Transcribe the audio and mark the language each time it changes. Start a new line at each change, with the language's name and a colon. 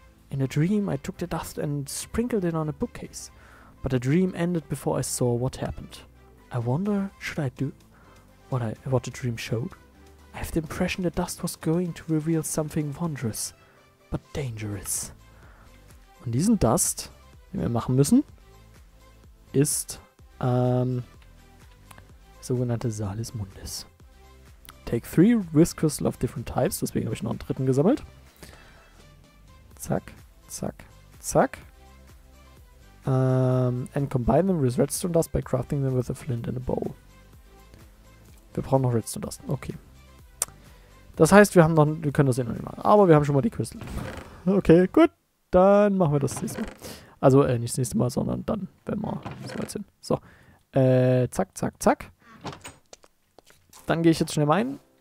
English: In a dream, I took the dust and sprinkled it on a bookcase. But the dream ended before I saw what happened. I wonder, should I do what the dream showed? I have the impression the dust was going to reveal something wondrous, but dangerous.
German: Und diesen Dust, den wir machen müssen, ist sogenannte Salis Mundus.
English: Take 3 Risk Crystal of different types,
German: deswegen habe ich noch einen dritten gesammelt. Zack, zack, zack.
English: And combine them with redstone dust by crafting them with a flint and a bow.
German: Wir brauchen noch redstone dust. Okay. Das heißt, wir haben noch, wir können das eh noch nicht machen. Aber wir haben schon mal die Crystal. Okay, gut. Dann machen wir das nächste Mal. Also nicht das nächste Mal, sondern dann, wenn wir so weit sind. So. Zack, zack, zack. Dann gehe ich jetzt schnell mein.